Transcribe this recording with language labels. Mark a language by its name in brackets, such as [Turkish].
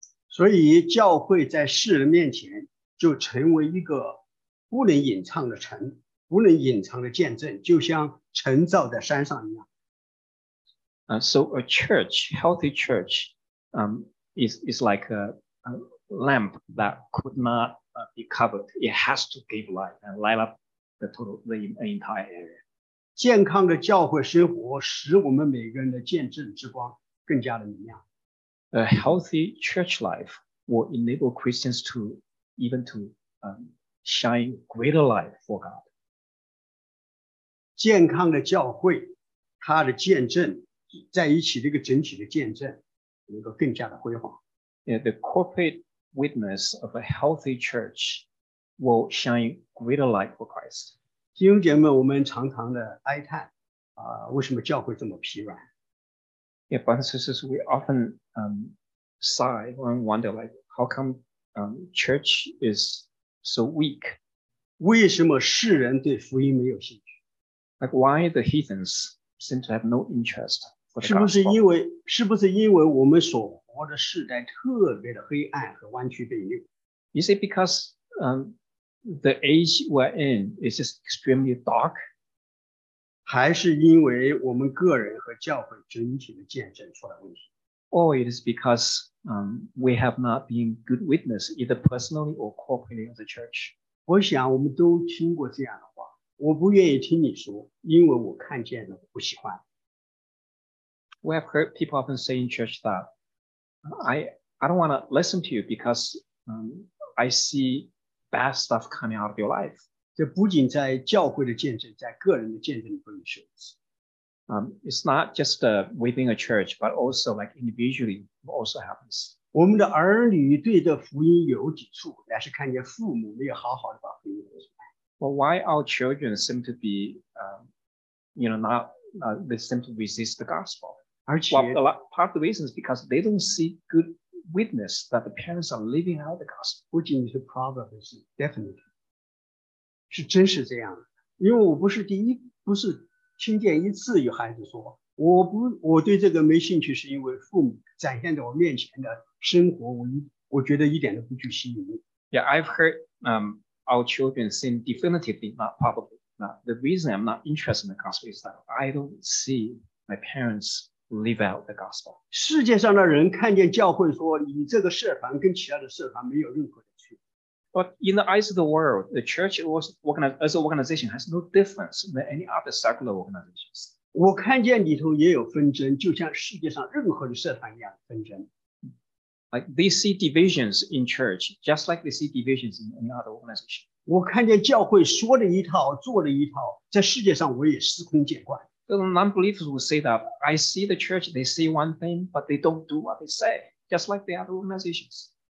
[Chinese] 所以教会在世人面前就成为一个不能隐藏的城，不能隐藏的见证，就像城造在山上一样。 [English] So a church, healthy church, is like a lamp that could not be covered. It has to give light and light up the entire area. [Chinese] 健康的教会生活使我们每个人的见证之光更加的明亮。 [English] A healthy church life will enable Christians to even to shine greater light for God. [Chinese] 健康的教会，它的见证在一起，这个整体的见证能够更加的辉煌。 [English] Yeah, the corporate witness of a healthy church will shine greater light for Christ. [Chinese] 弟兄姐妹，我们常常的哀叹，为什么教会这么疲软？ [English] Yeah, brothers and sisters, we often sigh and wonder, like, how come church is so weak? [Chinese] 为什么世人对福音没有兴趣？ [English] Like, why the heathens seem to have no interest for the gospel? [Chinese] 是不是因为我们所活的世代特别的黑暗和弯曲悖谬？ [English] Is it because the age we're in is just extremely dark? [Chinese] 还是因为我们个人和教会整体的见证出了问题？ [English] Or it is because we have not been good witness, either personally or corporately as a church. [Chinese] 我想我们都听过这样的话，我不愿意听你说，因为我看见了，我不喜欢。 [English] We have heard people often say in church that I don't want to listen to you because I see bad stuff coming out of your life. [Chinese] 这不仅在教会的见证，在个人的见证里都有说。 [English] It's not just within a church, but also like individually, it also happens. [Chinese] 我们的儿女对这福音有抵触，乃是看见父母没有好好的把福音传出来。 [English] Well, why our children seem to be, they seem to resist the gospel? [Chinese] 而且 [English] part of the reason is because they don't see good witness that the parents are living out the gospel. [Chinese] 不仅是 [English] probably, definitely. [Chinese] 是真是这样的，因为我不是第一，不是听见一次有孩子说我对这个没兴趣，是因为父母展现在我面前的生活我觉得一点都不具吸引力。 [English] Yeah, I've heard our children say definitively, not probably. Now, the reason I'm not interested in the gospel is that I don't see my parents live out the gospel. [Chinese] 世界上的人看见教会说你这个社团跟其他的社团没有任何的区别。 [English] But in the eyes of the world, the church as an organization has no difference than any other secular organizations. [Chinese] 我看见里头也有纷争，就像世界上任何的社团一样纷争。 [English] Like they see divisions in church, just like they see divisions in any other organization. [Chinese] 我看见教会说的一套，做的一套，在世界上我也司空见惯。 [English] The non-believers will say that I see the church, they say one thing, but they don't do what they say, just like the other organizations.